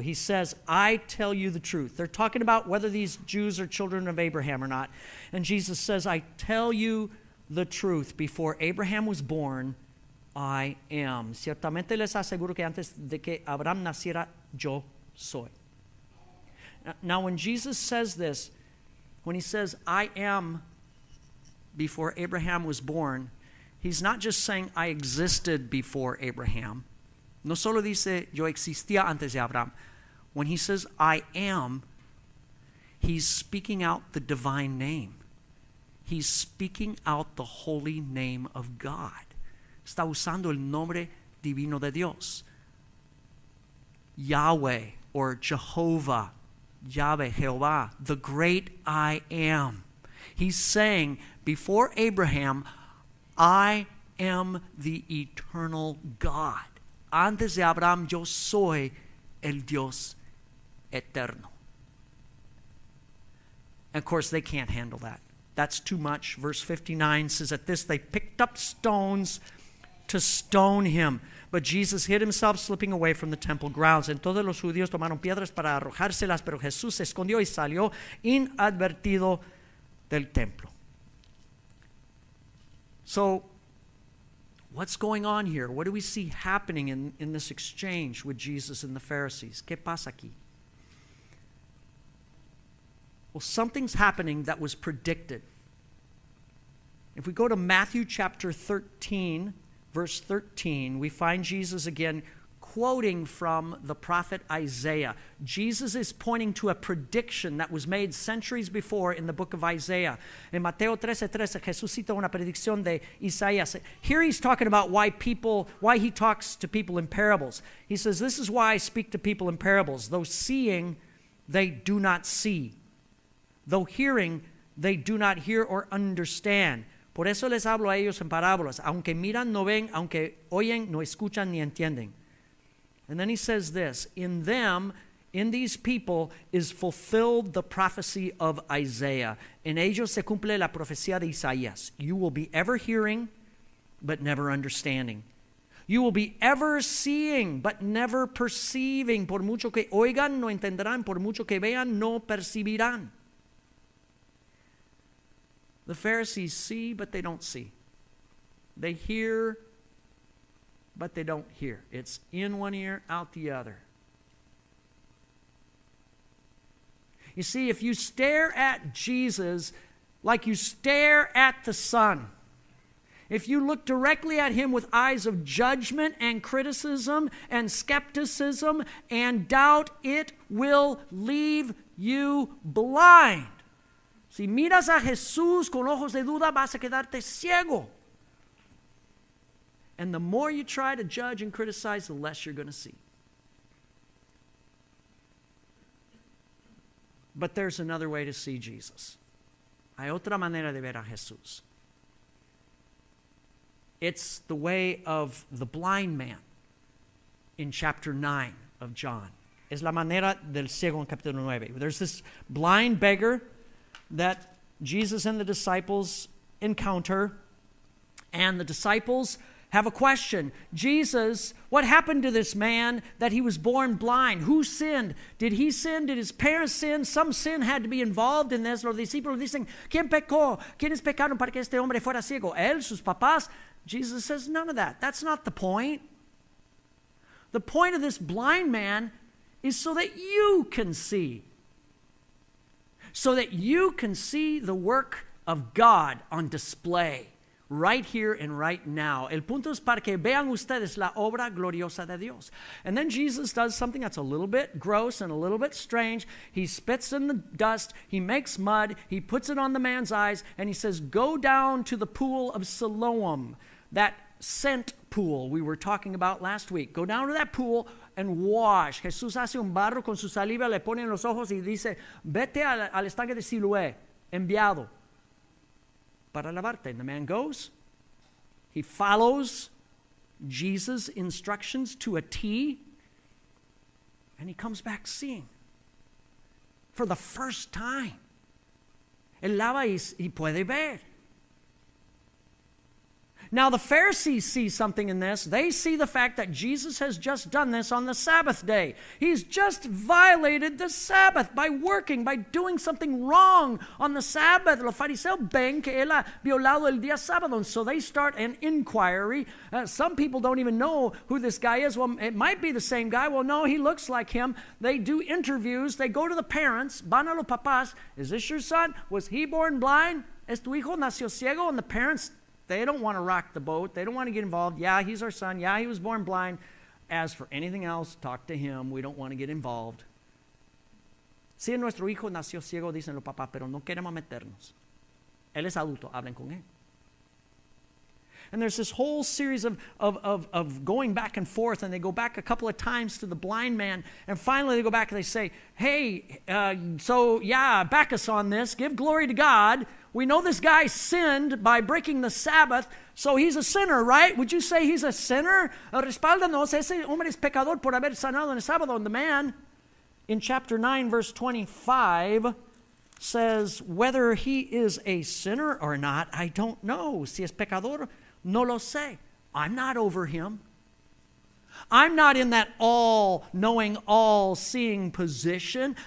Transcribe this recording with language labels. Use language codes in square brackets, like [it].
[en] He says, I tell you the truth. They're talking about whether these Jews are children of Abraham or not. And Jesus says, I tell you the truth. Before Abraham was born, I am. [es] Ciertamente les aseguro que antes de que Abraham naciera, yo soy. [en] Now, when Jesus says this, when he says, I am, before Abraham was born, he's not just saying, I existed before Abraham. [es] No solo dice, yo existía antes de Abraham. [en] When he says, I am, he's speaking out the divine name. He's speaking out the holy name of God. [es] Está usando el nombre divino de Dios. Yahweh, or Jehovah, [en] Yahweh, Jehovah, the great I am. He's saying, before Abraham, I am the eternal God. [es] Antes de Abraham, yo soy el Dios eterno. [en] And of course, they can't handle that. That's too much. Verse 59 says, at this they picked up stones to stone him. But Jesus hid himself, slipping away from the temple grounds. [es] Entonces los judíos tomaron piedras para arrojárselas, pero Jesús se escondió y salió inadvertido del templo. [en] So, what's going on here? What do we see happening in this exchange with Jesus and the Pharisees? [es] ¿Qué pasa aquí? [en] Well, something's happening that was predicted. If we go to Matthew chapter 13, verse 13, we find Jesus again quoting from the prophet Isaiah. Jesus is pointing to a prediction that was made centuries before in the book of Isaiah. [es] In Mateo 13:13, Jesús cita una predicción de Isaías. [en] Here he's talking about why he talks to people in parables. He says, this is why I speak to people in parables. Though seeing, they do not see. Though hearing, they do not hear or understand. [es] Por eso les hablo a ellos en parábolas. Aunque miran, no ven. Aunque oyen, no escuchan ni entienden. [en] And then he says this, in them, in these people, is fulfilled the prophecy of Isaiah. [es] En ellos se cumple la profecía de Isaías. [en] You will be ever hearing, but never understanding. You will be ever seeing, but never perceiving. [es] Por mucho que oigan, no entenderán. Por mucho que vean, no percibirán. [en] The Pharisees see, but they don't see. They hear, but they don't hear. It's in one ear, out the other. You see, if you stare at Jesus like you stare at the sun, if you look directly at him with eyes of judgment and criticism and skepticism and doubt, it will leave you blind. [es] Si miras a Jesús con ojos de duda, vas a quedarte ciego. [en] And the more you try to judge and criticize, the less you're going to see. But there's another way to see Jesus. [es] Hay otra manera de ver a Jesús. [en] It's the way of the blind man in chapter 9 of John. [es] Es la manera del ciego en capítulo 9. [en] There's this blind beggar that Jesus and the disciples encounter. And the disciples have a question. Jesus, what happened to this man that he was born blind? Who sinned? Did he sin? Did his parents sin? Some sin had to be involved in this. [es] Los discípulos dicen, ¿quién pecó? ¿Quiénes pecaron para que este hombre fuera ciego? ¿Él, sus papás? [en] Jesus says, none of that. That's not the point. The point of this blind man is so that you can see. So that you can see the work of God on display. Right here and right now. [es] El punto es para que vean ustedes la obra gloriosa de Dios. [en] And then Jesus does something that's a little bit gross and a little bit strange. He spits in the dust. He makes mud. He puts it on the man's eyes. And he says, go down to the pool of Siloam. That scent pool we were talking about last week. Go down to that pool and wash. [es] Jesús hace un barro con su saliva, le pone en los ojos y dice, vete al estanque de Siloé, enviado. Para lavarte. [en] And the man goes. He follows Jesus' instructions to a T. And he comes back seeing. For the first time. [es] Él lava y puede ver. [en] Now the Pharisees see something in this. They see the fact that Jesus has just done this on the Sabbath day. He's just violated the Sabbath by working, by doing something wrong on the Sabbath. [es] Los fariseos ven que él ha violado el día sábado. [en] And so they start an inquiry. Some people don't even know who this guy is. Well, it might be the same guy. Well, no, he looks like him. They do interviews. They go to the parents. [es] Van a los papás. [en] Is this your son? Was he born blind? [es] ¿Es tu hijo? ¿Nació ciego? [en] And the parents, they don't want to rock the boat. They don't want to get involved. Yeah, he's our son. Yeah, he was born blind. As for anything else, talk to him. We don't want to get involved. [es] Si nuestro hijo nació ciego, dicen los papás, pero no queremos meternos. Él es adulto. Hablen con él. [en] And there's this whole series of going back and forth, and they go back a couple of times to the blind man, and finally they go back and they say, hey, back us on this. Give glory to God. We know this guy sinned by breaking the Sabbath, so he's a sinner, right? Would you say he's a sinner? [es] Respáldanos, ese hombre es pecador por haber sanado en el sábado. [en] And the man, in chapter 9, verse 25, says, whether he is a sinner or not, I don't know. [es] Si es pecador, no lo sé. [en] I'm not over him. I'm not in that all-knowing, all-seeing position.